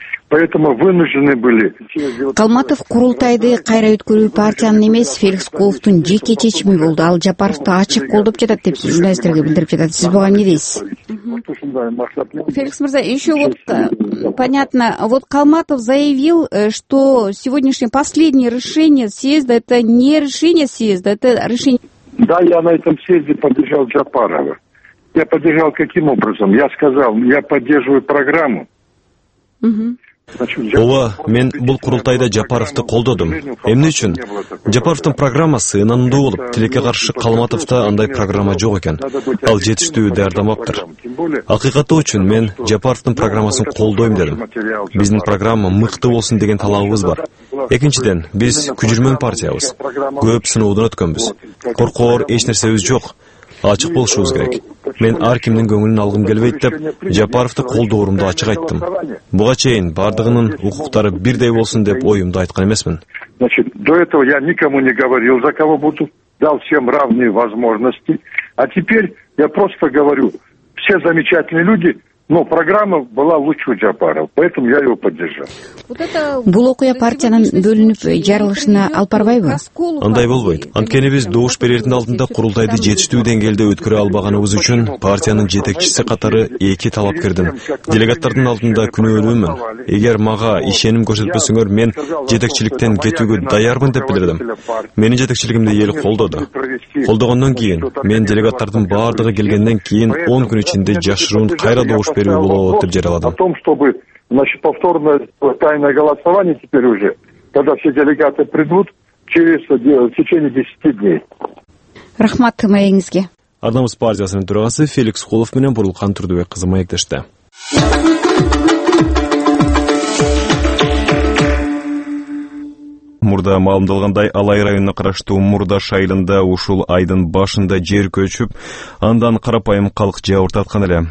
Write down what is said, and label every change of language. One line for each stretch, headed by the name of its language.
Russian: Поэтому вынуждены были.
Kyrgyz: Калматов курултайды кайра өткөрүү партиянын эмес, Феликс Кулуфтун жеке чечими болду. Ал Жапаровду ачык колдоп жатат деп журналисттерге билдирип жатат. Сиз буга эмне дейсиз?
Russian: Феликс мырза, еще вот понятно, вот Калматов заявил, что сегодняшнее последнее решение съезда это не решение съезда, это решение. Да, я на этом съезде поддержал Жапарова. Я поддержал каким образом? Я сказал, я поддерживаю программу.
Kyrgyz: Ооба, мен бул курултайда Жапаровду колдодум. Эмне үчүн? Жапаровдун программасы ынандуу болуп, тилекке каршы Калматовдо андай программа жок экен. Ал жетиштүү даярдамаптыр. Акыйкаты үчүн мен Жапаровдун программасын колдойм дедим. Биздин программа мыкты болсун деген талабыбыз бар. Экинчиден, биз күжүрмөн партиябыз. Көп сыноодон өткөнбүз. Коркоор эч нерсебиз жок. Ачык болушубуз керек. Мен ар кимдин көңүлүн алгым келбейт деп Жапаровду колдоорумду ачык айттым. Буга чейин баардыгынын укуктары бирдей болсун деп оюмду айткан эмесмин.
Russian: Значит, до этого я никому не говорил, за кого буду, дал всем равные возможности. А теперь я просто говорю, все замечательные люди. Но программа была лучше у Жапарова, поэтому я его поддержал.
Kyrgyz: Бул окуя партиянын бөлүнүп жарылышына алып барбайбы? Андай болбойт. Анткени биз добуш берердин алдында курултайды жетиштүү деңгээлде өткөрө албаганыбыз үчүн партиянын жетекчиси катары эки талапкердин делегаттардын алдында күнөөлүүмүн. Эгер мага ишеним көрсөтпөсөңөр, мен жетекчиликтен кетүүгө даярмын деп билдирдим. Менин жетекчилигимди эл колдоду. Колдогондон кийин мен делегаттардын баардыгы келгенден кийин 10 күн ичинде жашыруун кайра добуш берүү болот деп жарыяладым.
Russian: Значит, повторное тайное голосование теперь уже, когда все делегаты придут через в течение 10 дней.
Kyrgyz: Рахмат маегиңизге. Арнамыз партиясынын төрагасы Феликс Кулов менен Бурулкан Турдубек кызы маектеште. Мурда маалымдалгандай, Алай районуна караштуу Мурдаш айылында ушул айдын башында жер көчүп, андан карапайым калк жабыртаткан эле.